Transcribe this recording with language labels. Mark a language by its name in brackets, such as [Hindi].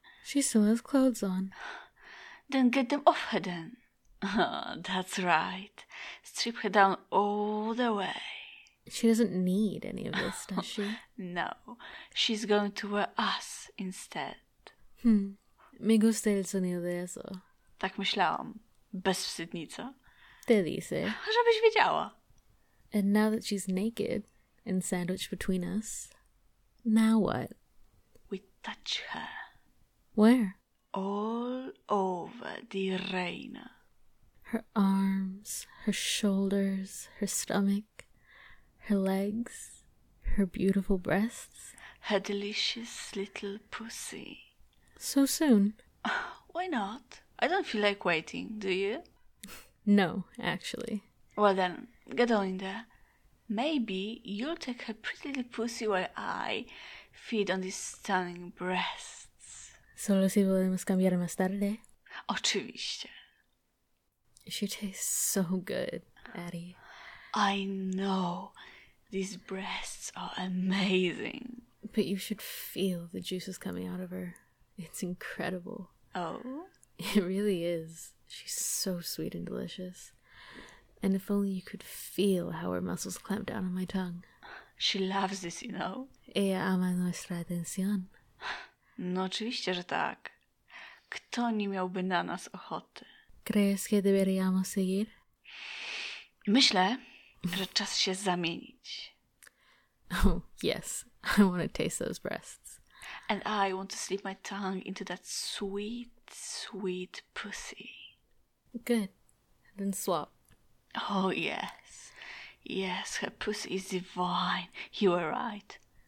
[English] She still has clothes on. Then get them off her then. Oh, that's right. Strip her down all the way. She doesn't need any of this, does she? No. She's going to wear us instead. [Spanish] Me gusta el sonido de eso. [Polish] Tak myślałam. Bezwstydnica. [Spanish] Te dice. [Polish] Żebyś wiedziała. [English] And now that she's naked and sandwiched between us, now what? We touch her. Where? All over the reina. Her arms, her shoulders, her stomach, her legs, her beautiful breasts. Her delicious little pussy. So soon? Why not? I don't feel like waiting, do you? No, actually. Well then, get on in there. Maybe you'll take her pretty little pussy while I feed on these stunning breasts. [Spanish] Solo si podemos cambiar más tarde. [Polish] Oczywiście. [English] She tastes so good, Addie. I know. These breasts are amazing. But you should feel the juices coming out of her. It's incredible. Oh? It really is. She's so sweet and delicious. And if only you could feel how her muscles clamp down on my tongue. She loves this, you know. [Spanish] Ella ama nuestra atención. [Polish] No, oczywiście, że tak. Kto nie miałby na nas ochoty? [Spanish] ¿Crees que deberíamos seguir? [Polish] Myślę, że czas się zamienić. [English] Oh, yes. I want to taste those breasts. And I want to slip my tongue into that sweet, sweet pussy. Good. Then swap. Oh, yes. Yes, her pussy is divine. You were right.